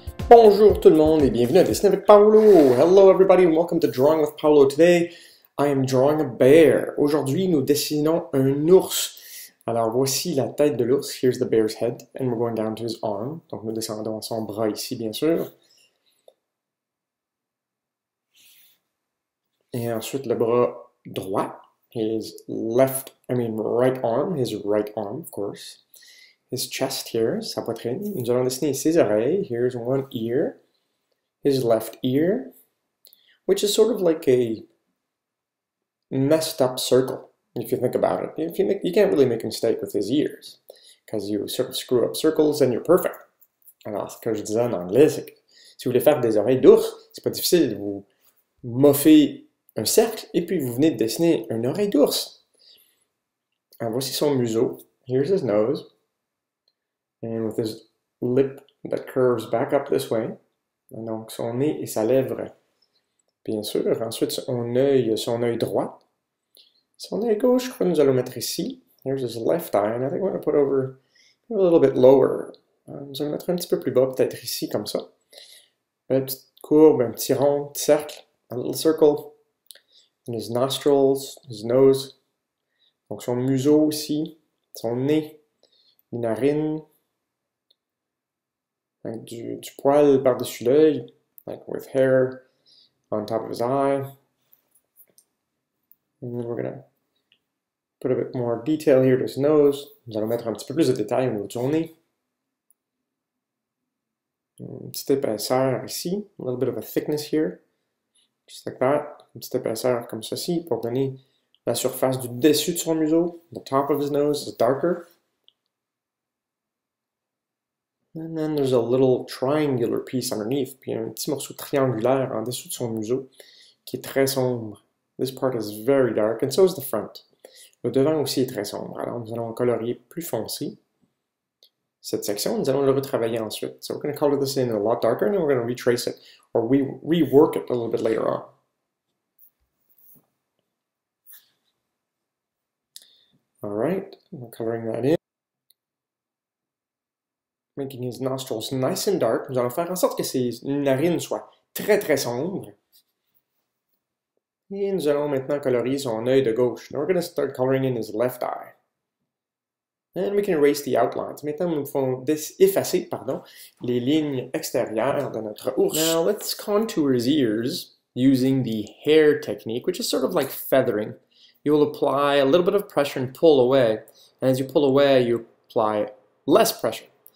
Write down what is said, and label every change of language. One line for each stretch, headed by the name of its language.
French: Bonjour tout le monde et bienvenue à Dessiner avec Paolo.
English: Hello everybody and welcome to Drawing with Paolo. Today, I am drawing a bear.
French: Aujourd'hui, nous dessinons un ours. Alors, voici la tête de l'ours.
English: Here's the bear's head. And we're going down to his arm.
French: Donc, nous descendons son bras ici, bien sûr. Et ensuite, le bras droit.
English: His right arm, of course. His chest here,
French: sa poitrine. Nous allons dessiner ses oreilles.
English: Here's one ear. His left ear. Which is sort of like a messed up circle, if you think about it. You can't really make a mistake with his ears. Because you sort of screw up circles and you're perfect.
French: Alors, ce que je disais en anglais, c'est que si vous voulez faire des oreilles d'ours, c'est pas difficile. Vous moffez un cercle et puis vous venez de dessiner une oreille d'ours. Alors, voici son museau.
English: Here's his nose. And with his lip that curves back up this way.
French: Et donc, son nez et sa lèvre, bien sûr. Ensuite, son œil droit. Son œil gauche, je crois que nous allons mettre ici.
English: Here's his left eye. And I think we're going to put over a little bit lower.
French: Nous allons mettre un petit peu plus bas, peut-être ici, comme ça. Une petite courbe, un petit rond, un petit cercle,
English: a little circle. And his nostrils, his nose.
French: Donc, son museau aussi. Son nez. Les narines.
English: Like
French: du poil par-dessus l'œil,
English: like with hair on top of his eye. And then we're gonna put a bit more detail here to his nose.
French: Nous allons mettre un petit peu plus de détails au niveau de son nez. Une petite épaisseur ici,
English: a little bit of a thickness here. Just like that.
French: Une petite épaisseur comme ceci pour donner la surface du dessus de son museau.
English: The top of his nose is darker. And then there's a little triangular piece underneath.
French: Puis un petit morceau triangulaire en dessous de son museau qui est très sombre.
English: This part is very dark, and so is the front.
French: Le devant aussi est très sombre. Alors nous allons colorier plus foncé cette section. Nous allons le retravailler ensuite.
English: So we're going to color this in a lot darker, and then we're going to retrace it, or rework it a little bit later on. All right, we're coloring that in. Making his nostrils nice and dark.
French: Nous allons faire en sorte que ses narines soient très très sombres. Et nous allons maintenant colorier son œil de gauche.
English: Now we're going to start coloring in his left eye. And we can erase the outlines.
French: Maintenant, nous pouvons effacer, pardon, les lignes extérieures de notre ours.
English: Now let's contour his ears using the hair technique, which is sort of like feathering. You will apply a little bit of pressure and pull away. And as you pull away, you apply less pressure.